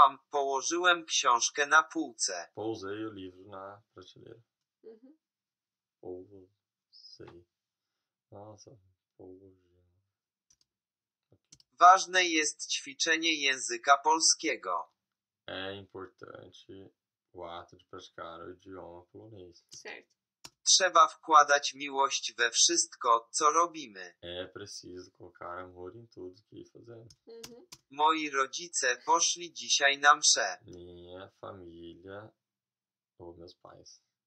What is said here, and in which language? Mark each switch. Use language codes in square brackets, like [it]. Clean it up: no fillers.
[pl] Położyłem książkę na półce. [pt] Pousei o livro na prateleira. Pousei. Nossa, pousei. [pl] Ważne jest ćwiczenie języka polskiego. [pt] É importante o ato de praticar o idioma polonês. Certo. [pl] Trzeba wkładać miłość we wszystko, co robimy. [pt] É preciso colocar amor em tudo que fazemos. [pl] Moi rodzice poszli dzisiaj na mszę. [pt] Minha família, ou meus pais.